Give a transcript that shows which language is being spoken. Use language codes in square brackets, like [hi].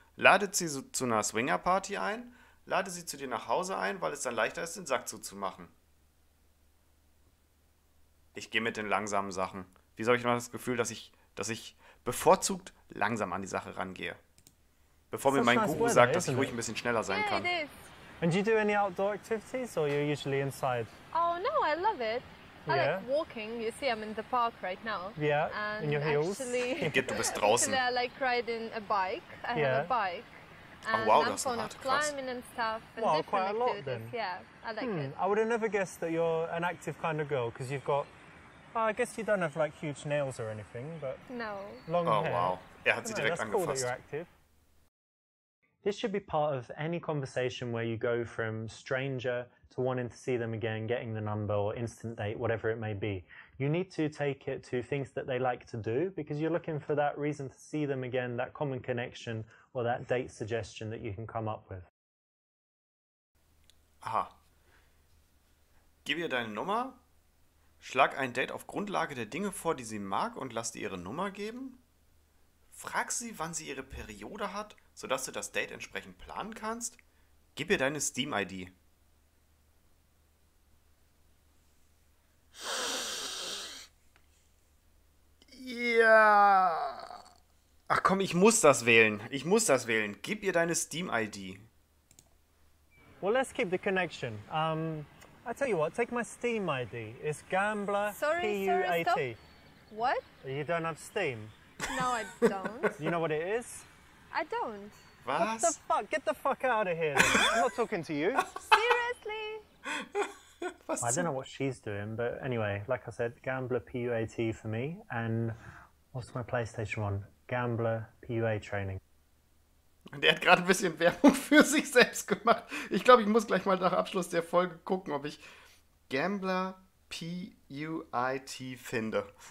[de] Lade sie zu einer Swinger-Party ein? Lade sie zu dir nach Hause ein, weil es dann leichter ist, den Sack zuzumachen. Ich gehe mit den langsamen Sachen. Wieso habe ich immer das Gefühl, dass ich bevorzugt langsam an die Sache rangehe? Bevor mir mein Guru sagt, dass ich ruhig ein bisschen schneller sein kann. [en] And do you do any outdoor activities or you're usually inside? Oh no, I love it. Yeah. I like walking. You see, I'm in the park right now. Yeah. And in your heels. [de] Geht, du bist draußen. [en] Actually, I like riding a bike. I have a bike. And oh wow, that's fun. Climbing and stuff. And wow, quite a lot then. Yeah, I like it. I would have never guessed that you're an active kind of girl because you've got. Well, I guess you don't have like huge nails or anything, but. No. Long hair. Oh wow. Yeah, [de] hat sie direkt angefasst. [en] Cool that you're active. This should be part of any conversation where you go from stranger to wanting to see them again, getting the number or instant date, whatever it may be. You need to take it to things that they like to do because you're looking for that reason to see them again, that common connection or that date suggestion that you can come up with. Aha. [de] Gib ihr deine Nummer, schlag ein Date auf Grundlage der Dinge vor, die sie mag und lass dir ihre Nummer geben. Frag sie, wann sie ihre Periode hat, sodass du das Date entsprechend planen kannst. Gib ihr deine Steam-ID. Ja. Ach komm, ich muss das wählen. Ich muss das wählen. Gib ihr deine Steam-ID. [en] Well, let's keep the connection. I tell you what, take my Steam-ID. It's Gambler P-U-A-T. What? You don't have Steam? No, I don't. You know what it is? I don't. [de] Was? [en] What the fuck? Get the fuck out of here. I'm not talking to you. Seriously? I don't know what she's doing, but anyway, like I said, Gambler P-U-A-T for me. And what's my PlayStation 1? Gambler P-U-A training. [de] Und er hat gerade ein bisschen Werbung für sich selbst gemacht. Ich glaube, ich muss gleich mal nach Abschluss der Folge gucken, ob ich Gambler P-U-I-T finde.